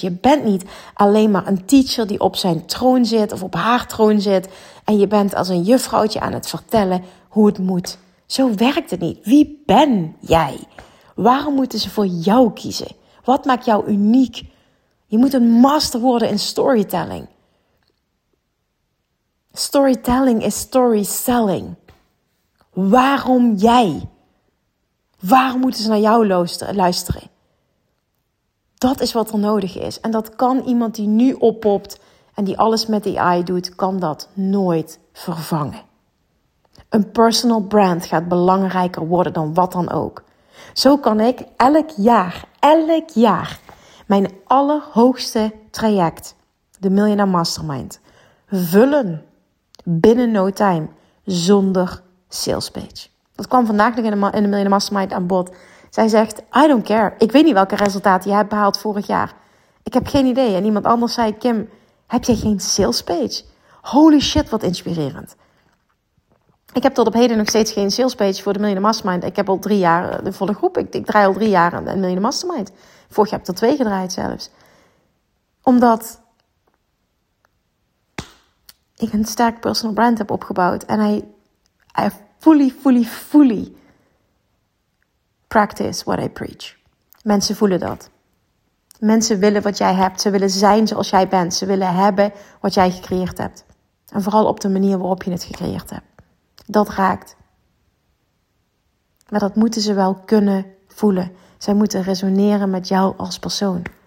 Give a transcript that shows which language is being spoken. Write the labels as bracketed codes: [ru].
[nl] Je bent niet alleen maar een teacher die op zijn troon zit of op haar troon zit. En je bent als een juffrouwtje aan het vertellen hoe het moet. Zo werkt het niet. Wie ben jij? Waarom moeten ze voor jou kiezen? Wat maakt jou uniek? Je moet een master worden in storytelling. Storytelling is story selling. Waarom jij? Waarom moeten ze naar jou luisteren? Dat is wat er nodig is. En dat kan iemand die nu oppopt en die alles met AI doet, kan dat nooit vervangen. Een personal brand gaat belangrijker worden dan wat dan ook. Zo kan ik elk jaar, mijn allerhoogste traject, de Millionaire Mastermind, vullen binnen no time, zonder sales page. Dat kwam vandaag nog in de Millionaire Mastermind aan bod. Zij zegt, [en] I don't care. [nl] Ik weet niet welke resultaten je hebt behaald vorig jaar. Ik heb geen idee. En iemand anders zei, Kim, heb jij geen sales page? Holy shit, wat inspirerend. Ik heb tot op heden nog steeds geen sales page voor de Millionaire Mastermind. Ik heb al 3 jaar de volle groep. Ik draai al 3 jaar de Millionaire Mastermind. Vorig jaar heb ik er 2 gedraaid zelfs. Omdat ik een sterk personal brand heb opgebouwd. [en] En I fully practice what I preach. [nl] Mensen voelen dat. Mensen willen wat jij hebt. Ze willen zijn zoals jij bent. Ze willen hebben wat jij gecreëerd hebt. En vooral op de manier waarop je het gecreëerd hebt. Dat raakt. Maar dat moeten ze wel kunnen voelen. Zij moeten resoneren met jou als persoon.